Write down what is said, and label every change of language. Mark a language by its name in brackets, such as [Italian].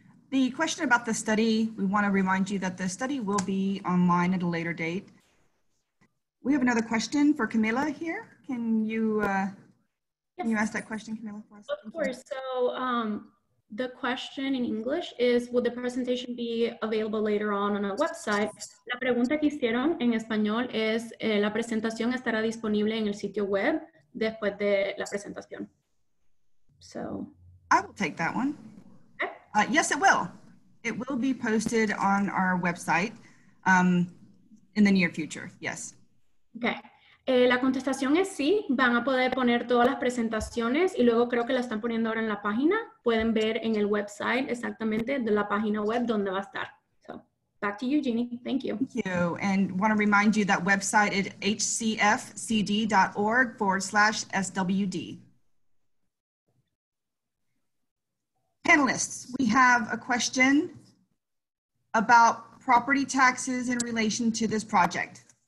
[English] The question about the study, we want to remind you that the study will be online at a later date. We have another question for Camila here. Can you... Can you ask that question, Camila, for us? Of course. So the question in English is, will the presentation be available later on a website? [Spanish] La pregunta que hicieron en español es, ¿la presentación estará disponible en el sitio web después de la presentación? [English] So. I will take that one. Okay. Yes, it will. It will be posted on our website in the near future, yes. Okay. [Spanish] La contestación es sí, van a poder poner todas las presentaciones y luego creo que la están poniendo ahora en la página. Pueden ver en el website exactamente de la página web donde va a estar. [English] So, back to you, Jeannie. Thank you. Thank you. And want to remind you that website is hcfcd.org/swd. Panelists, we have a question about property taxes in relation to this project.